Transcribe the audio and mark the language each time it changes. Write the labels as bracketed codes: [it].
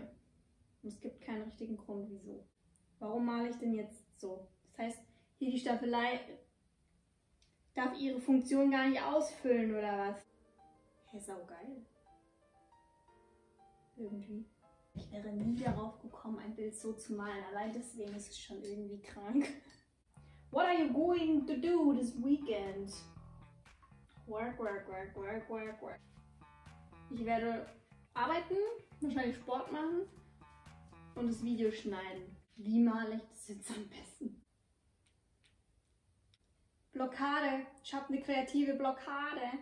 [de] Und es gibt keinen richtigen Grund, wieso. Warum male ich denn jetzt so? Das heißt, hier die Staffelei darf ihre Funktion gar nicht ausfüllen, oder was? Hä, saugeil. Irgendwie. Ich wäre nie darauf gekommen, ein Bild so zu malen. Allein deswegen ist es schon irgendwie krank. [en] What are you going to do this weekend? Work, work, work, work, work, work. [de] Ich werde arbeiten, wahrscheinlich Sport machen und das Video schneiden. Wie male ich das jetzt am besten? Blockade. Ich habe eine kreative Blockade.